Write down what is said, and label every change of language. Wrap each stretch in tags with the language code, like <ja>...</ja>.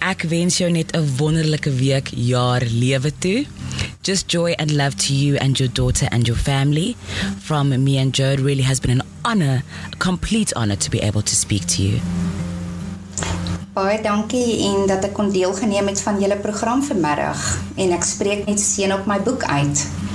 <af>Ek wens jou net 'n wonderlike week, jaar, lewe toe.</af> <en>Just joy and love to you and your daughter and your family. From me and Joe, it really has been an honor, a complete honor to be able to speak to you.</en> <af>Baie dankie en dat ek kon deelgeneem het van julle program vanmiddag. En ek spreek net seën op my boek uit.</af>